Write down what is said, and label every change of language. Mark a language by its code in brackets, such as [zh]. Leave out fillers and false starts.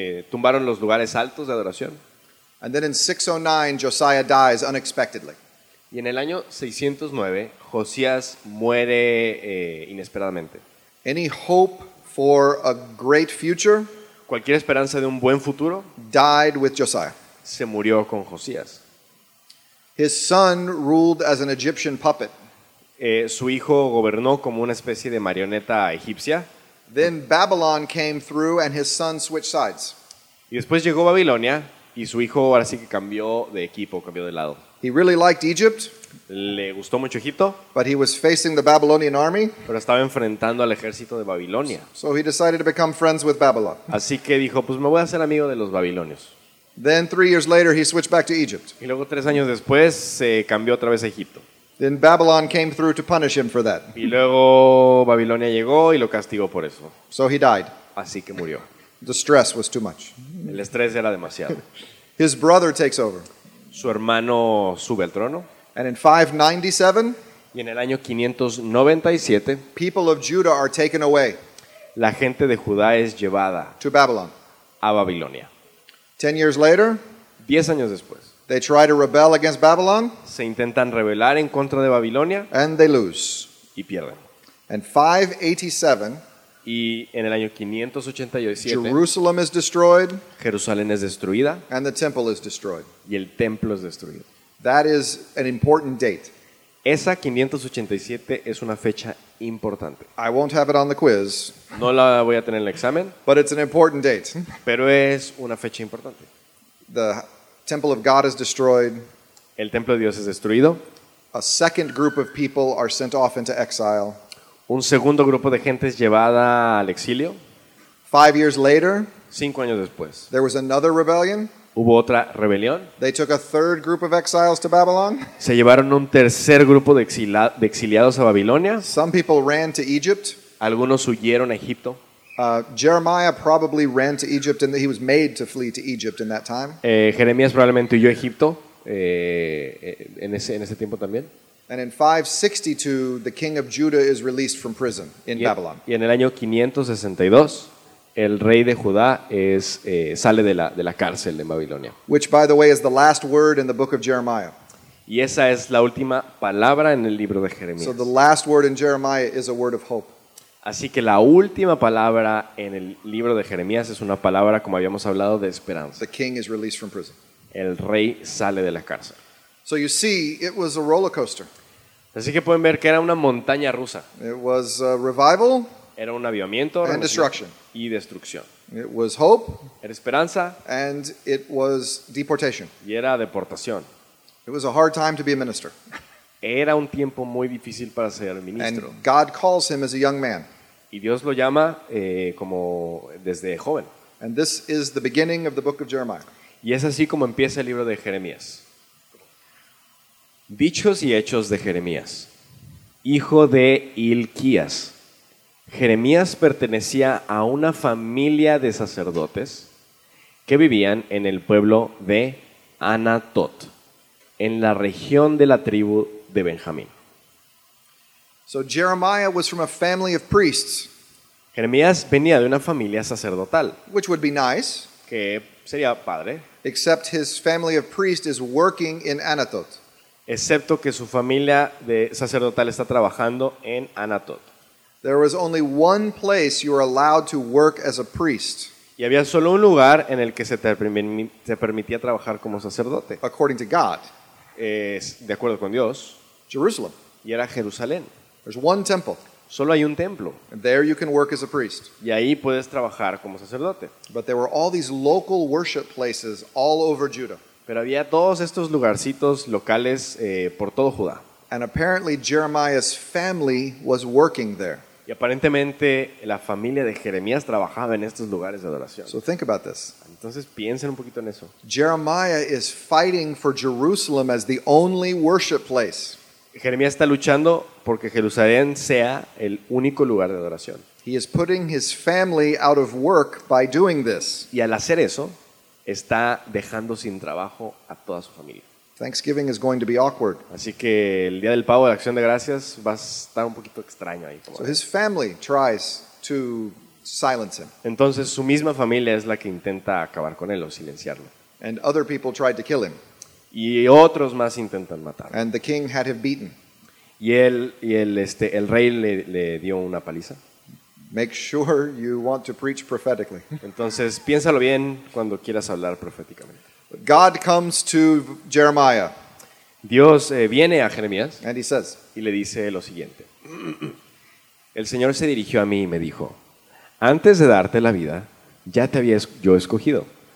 [es] Tumbaron los lugares altos de adoración. [en] And then in 609, Josiah dies unexpectedly. [es] Y en el año 609, Josías muere inesperadamente. [en] Any hope for a great future? [es] Cualquier esperanza de un buen futuro [en] died with Josiah. [es] Se murió con Josías. [en] His son ruled as an Egyptian puppet. [es] Su hijo gobernó como una especie de marioneta egipcia. [en] Then Babylon came through and his son switched sides. [es] Y después llegó Babilonia y su hijo ahora sí que cambió de equipo, cambió de lado. [en] He really liked Egypt. [es] Le gustó mucho Egipto. [en] But he was facing the Babylonian army. [es] Pero estaba enfrentando al ejército de Babilonia. [en] So he decided to become friends with Babylon. [es] Así que dijo, pues me voy a hacer amigo de los babilonios. [en] Then 3 years later he switched back to Egypt. [es] Y luego 3 años después se cambió otra vez a Egipto. [en] Then Babylon came through to punish him for that. [es] Y luego Babilonia llegó y lo castigó por eso. [en] So he died. [es] Así que murió. [en] The stress was too much. [es] El estrés era demasiado. [en] His brother takes over. [es] Su hermano sube al trono. [en] And in 597, [es] y en el año 597, [en] people of Judah are taken away. [es] La gente de Judá es llevada [en] to Babylon. [es] A Babilonia. [en] 10 years later, [es] 10 años después, [en] they try to rebel against Babylon. [es] Se intentan rebelar en contra de Babilonia. [en] And they lose. [es] Y pierden. [en] And 587, [es] y en el año 587, [en] Jerusalem is destroyed. [es] Jerusalén es destruida. [en] And the temple is destroyed. [es] Y el templo es destruido. [en] That is an important date. [es] Esa 587 es una fecha importante. [en] I won't have it on the quiz. [es] No la voy a tener en el examen. [en] But it's an important date. [es] Pero es una fecha importante. [en] The temple of God is destroyed. [es] El templo de Dios es destruido. [en] A second group of people are sent off into exile. [es] Un segundo grupo de gente es llevada al exilio. [en] 5 years later. [es] 5 años después. [en] There was another rebellion. [es] Hubo otra rebelión. [en] They took a third group of exiles to Babylon. [es] Se llevaron un tercer grupo de exiliados a Babilonia. [en] Some people ran to Egypt. [es] Algunos huyeron a Egipto. [en] Jeremiah probably ran to Egypt, and he was made to flee to Egypt in that time. [es] Jeremías probablemente huyó a Egipto en ese tiempo también. [en] And in 562, the king of Judah is released from prison in Babylon. [es] Y en el año 562, el rey de Judá es sale de la cárcel de Babilonia. [en] Which, by the way, is the last word in the book of Jeremiah. [es] Y esa es la última palabra en el libro de Jeremías. [en] So the last word in Jeremiah is a word of hope. [es] Así que la última palabra en el libro de Jeremías es una palabra, como habíamos hablado, de esperanza. [en] The king is released from prison. [es] El rey sale de la cárcel. [en] So you see, it was a roller coaster. [es] Así que pueden ver que era una montaña rusa. [en] It was a revival. [es] Era un avivamiento [en] and destruction. [es] Y destrucción. [en] It was hope. [es] Era esperanza. [en] And it was deportation. [es] Y era deportación. [en] It was a hard time to be a minister. [es] Era un tiempo muy difícil para ser ministro. [en] And God calls him as a young man. [es] Y Dios lo llama como desde joven. [en] And this is the beginning of the book of Jeremiah. [es] Y es así como empieza el libro de Jeremías. Dichos y hechos de Jeremías, hijo de Hilquías. Jeremías pertenecía a una familia de sacerdotes que vivían en el pueblo de Anatot, en la región de la tribu de Benjamín. [en] So Jeremiah was from a family of priests. [es] Jeremías venía de una familia sacerdotal. [en] Which would be nice. [es] Que sería padre. [en] Except his family of priests is working in Anatot. [es] Excepto que su familia de sacerdotal está trabajando en Anatot. [en] There was only one place you were allowed to work as a priest. [es] Y había solo un lugar en el que se permitía trabajar como sacerdote. [en] According to God. [es] De acuerdo con Dios. [en] Jerusalem. [es] Y era Jerusalén. [en] There's one temple. [es] Solo hay un templo. [en] And there you can work as a priest. [es] Y ahí puedes trabajar como sacerdote. [en] But there were all these local worship places all over Judah. [es] Pero había todos estos lugarcitos locales por todo Judá. [en] And apparently Jeremiah's family was working there. [es] Y aparentemente la familia de Jeremías trabajaba en estos lugares de adoración. [en] So think about this. [es] Entonces piensen un poquito en eso. [en] Jeremiah is fighting for Jerusalem as the only worship place. [es] Jeremías está luchando porque Jerusalén sea el único lugar de adoración. [en] He is putting his family out of work by doing this. [es] Y al hacer eso, está dejando sin trabajo a toda su familia. [en] Thanksgiving is going to be awkward. [es] Así que el día del pavo de Acción de Gracias va a estar un poquito extraño ahí. [en] So his family tries to silence him. [es] Entonces su misma familia es la que intenta acabar con él o silenciarlo. [en] And other people tried to kill him. [es] Y otros más intentan matarlo. [en] And the king had him beaten. [es] Y él el rey le dio una paliza. [en] Make sure you want to preach prophetically. [es] Entonces piénsalo bien cuando quieras hablar proféticamente. [en] God comes to Jeremiah. [es] Dios viene a Jeremías. [en] And he says, [es] y le dice lo siguiente. El Señor se dirigió a mí y me dijo, antes de darte la vida, ya te había yo escogido.